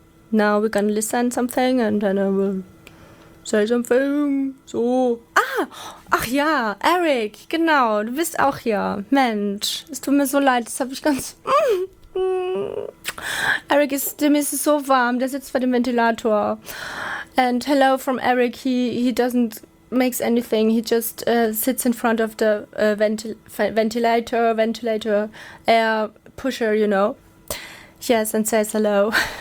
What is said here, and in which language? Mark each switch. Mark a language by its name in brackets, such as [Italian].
[English] Now we're gonna listen something and then I will say something. So. [German] Ah, ach ja, Eric, genau, du bist auch hier. Mensch, es tut mir so leid, das habe ich ganz... Eric is, dem ist so warm, der sitzt vor dem Ventilator. [English] And hello from Eric, he doesn't make anything, he just sits in front of the ventilator air pusher, you know. Yes, and says hello.